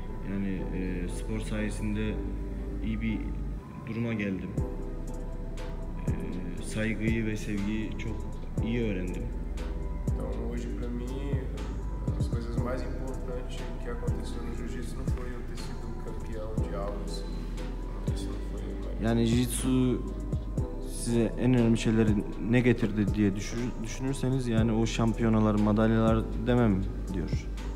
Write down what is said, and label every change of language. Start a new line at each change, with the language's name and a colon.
Turkish: Yani spor sayesinde iyi bir duruma geldim. Saygıyı ve sevgiyi çok iyi öğrendim.
Portuguese: Então hoje para mim as coisas mais importantes que aconteceu no jiu-jitsu não foi eu ter sido campeão de algo.
Turkish: Yani jiu-jitsu size en önemli şeyleri ne getirdi diye düşünürseniz yani o şampiyonalar, madalyalar demem diyor.